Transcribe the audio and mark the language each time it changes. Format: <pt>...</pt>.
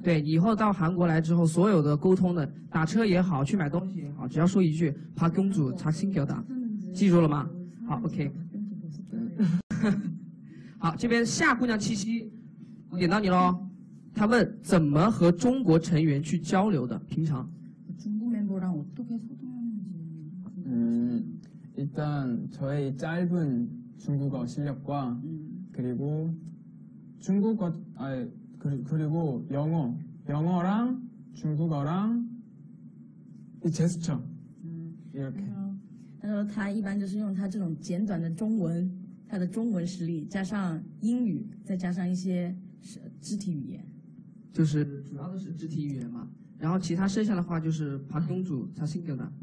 <zh>对，以后到韩国来之后，所有的沟通的，打车也好，去买东西也好，只要说一句"파경주차신교다"，记住了吗？好 ，OK。是对的。好，这边夏姑娘七七，我点到你喽。她问怎么和中国成员去交流的？平常？</zh> <ko>中国멤버랑어떻게소통하는지 일단저의짧은중국어실력과그리고중국어아그리고영어영어랑중국어랑이제스처이렇게</ko> <zh>他说他一般就是用他这种简短的中文，他的中文实力加上英语，再加上一些肢体语言，就是主要的是肢体语言嘛。然后其他剩下的话就是旁东主他性格的，</zh>